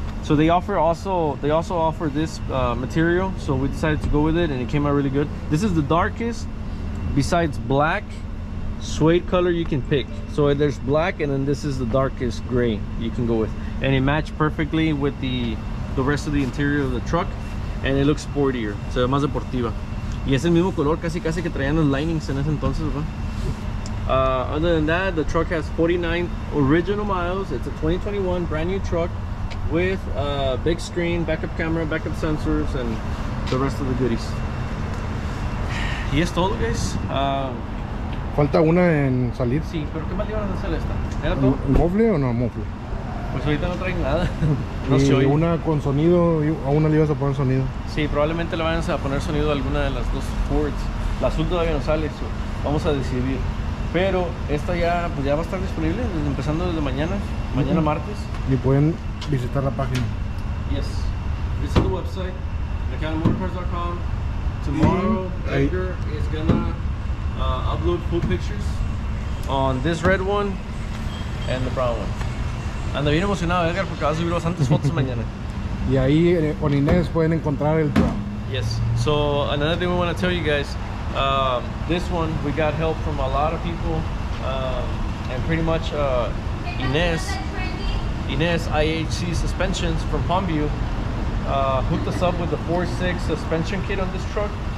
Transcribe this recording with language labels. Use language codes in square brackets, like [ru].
[en] So they also offer this material, so we decided to go with it, and it came out really good. This is the darkest, besides black, suede color you can pick. So there's black, and then this is the darkest gray you can go with, and it matched perfectly with the rest of the interior of the truck, and it looks sportier. [es] Se ve más deportiva. Y es el mismo color casi que traían los linings en ese entonces, ¿no? [en] Other than that, the truck has 49 original miles. It's a 2021 brand new truck with a big screen, backup camera, backup sensors, and the rest of the goodies. [es] Y es todo, guys. Falta una en salir. Sí, pero ¿qué más le iban a hacer esta? ¿Era todo? ¿El mofle o no el mofle? Pues ahorita no traen nada. No se oye. Y una con sonido, a una le ibas a poner sonido. Sí, probablemente le vayan a poner sonido a alguna de las dos Fords. La azul todavía no sale, eso. Vamos a decidir. Pero esta ya, pues ya va a estar disponible, empezando desde mañana, mañana martes. Y pueden visitar la página. [en] Yes. This is the website, McAllenMotorCars.com. Tomorrow, Edgar is gonna upload full pictures on this red one and the brown one. [es] Anda bien emocionado, Edgar, porque vas a subir bastantes fotos mañana. Y ahí con Inés pueden encontrar el brown. [en] Yes. So another thing we want to tell you guys, this one we got help from a lot of people, and pretty much Inés IHC Suspensions from Palmview hooked us up with the 4/6 suspension kit on this truck.